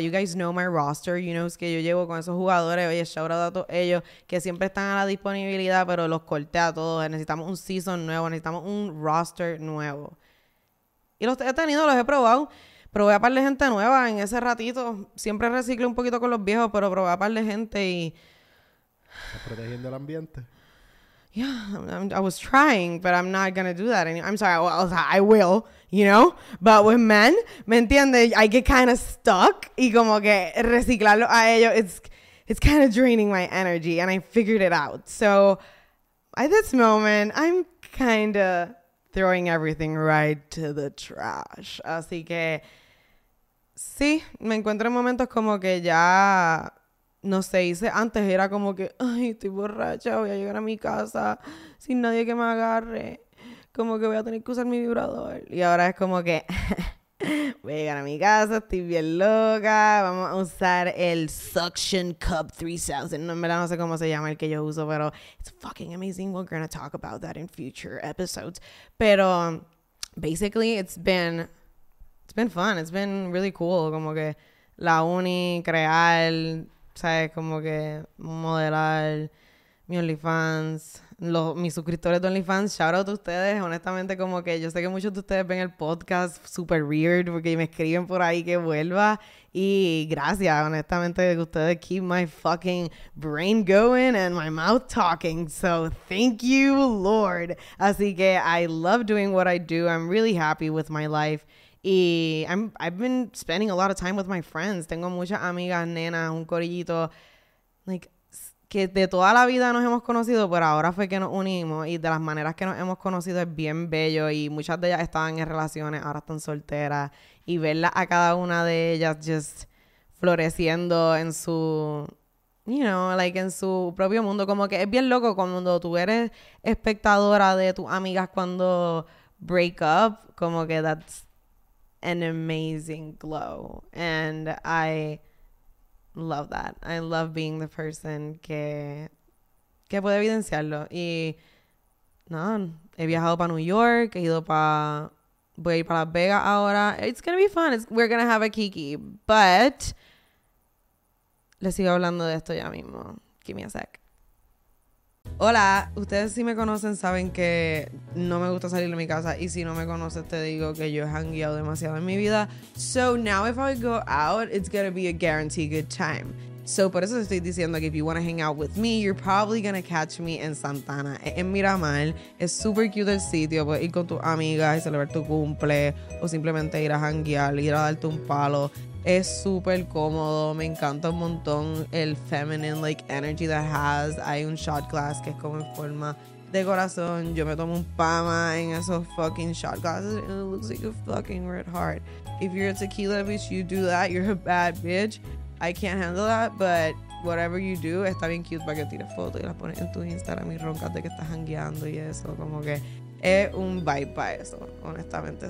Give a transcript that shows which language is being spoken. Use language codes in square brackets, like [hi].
[en] You guys know my roster. You know, [es] es que yo llevo con esos jugadores. Oye, shout out a todos ellos que siempre están a la disponibilidad, pero los corté a todos. Necesitamos un season nuevo. Necesitamos un roster nuevo. Y los he tenido, los he probado. Probé a par de gente nueva en ese ratito. Siempre reciclo un poquito con los viejos, pero probé a par de gente y ¿estás protegiendo el ambiente? [en] Yeah, I was trying, but I'm not gonna do that. I'm sorry, well, I will, you know? But with men, [es] ¿me entiendes? [en] I get kind of stuck. [es] Y como que reciclarlo a ellos, [en] it's kind of draining my energy. And I figured it out. So at this moment, I'm kind of throwing everything right to the trash. [es] Así que sí, me encuentro en momentos como que ya, no sé, hice antes, era como que, ay, estoy borracha, voy a llegar a mi casa sin nadie que me agarre. Como que voy a tener que usar mi vibrador. Y ahora es como que, Voy a llegar a mi casa, estoy bien loca. Vamos a usar el Suction Cup 3000. No, en verdad no sé cómo se llama el que yo uso, pero [en] it's fucking amazing. We're going to talk about that in future episodes. Pero basically, it's been fun. It's been really cool. [es] Como que la uni, crear, ¿sabes? Como que modelar mi OnlyFans. Mis suscriptores de OnlyFans, shout out a ustedes. Honestamente, como que yo sé que muchos de ustedes ven el podcast super weird porque me escriben por ahí que vuelva. Y gracias, honestamente, que ustedes [en] keep my fucking brain going and my mouth talking. So thank you, Lord. Así que I love doing what I do. I'm really happy with my life. Y I've been spending a lot of time with my friends. [es] Tengo muchas amigas, nenas, un corillito. Like, que de toda la vida nos hemos conocido, pero ahora fue que nos unimos. Y de las maneras que nos hemos conocido es bien bello. Y muchas de ellas estaban en relaciones, ahora están solteras. Y verlas a cada una de ellas just floreciendo en su, you know, like en su propio mundo. Como que es bien loco cuando tú eres espectadora de tus amigas cuando break up. [en] Como que that's an amazing glow. And I love that. I love being the person [es] que puede evidenciarlo. Y no, he viajado para New York, he ido para, voy a ir para Las Vegas ahora. [en] It's gonna be fun. We're gonna have a kiki. But [es] le sigo hablando de esto ya mismo. [en] Give me a sec. [es] Hola, ustedes si me conocen saben que no me gusta salir de mi casa, y si no me conoces te digo que yo he hangueado demasiado en mi vida. [en] So now if I go out, it's gonna be a guaranteed good time. So [es] por eso estoy diciendo que [en] if you wanna hang out with me, you're probably gonna catch me in Santana, en Miramar. [es] Es super cute el sitio, puedes ir con tus amigas y celebrar tu cumple, o simplemente ir a hanguear, ir a darte un palo. Es súper cómodo, me encanta un montón el [en] feminine like energy that has. [es] Hay un shot glass que es como en forma de corazón. Yo me tomo un pama en esos [en] fucking shot glasses and it looks like a fucking red heart. If you're a tequila bitch, you do that, you're a bad bitch. I can't handle that, but whatever you do, [es] está bien cute para que tires fotos y las pones en tu Instagram y roncas de que estás hangueando y eso. Como que es un vibe para eso, honestamente.